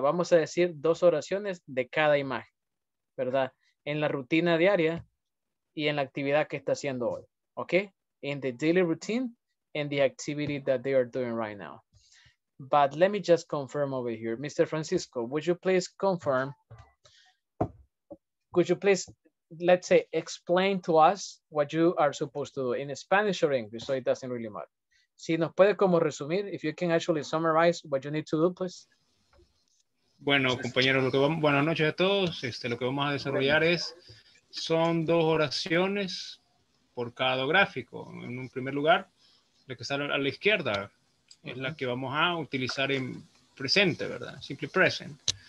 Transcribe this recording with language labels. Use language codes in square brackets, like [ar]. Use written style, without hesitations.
[es] Vamos a decir dos oraciones de cada imagen, ¿verdad? En la rutina diaria y en la actividad que está haciendo hoy, ¿okay? [en] In the daily routine and the activity that they are doing right now. But let me just confirm over here. Mr. Francisco, would you please confirm? Could you please... Let's say, explain to us what you are supposed to do in Spanish or English, so it doesn't really matter. [es] Si nos puede como resumir, [en] if you can actually summarize what you need to do, please. [es] Bueno, compañeros, lo que vamos, buenas noches a todos. Lo que vamos a desarrollar es, son dos oraciones por cada gráfico. En un primer lugar, la que está a la izquierda es la que vamos a utilizar en presente, ¿verdad? Simple present.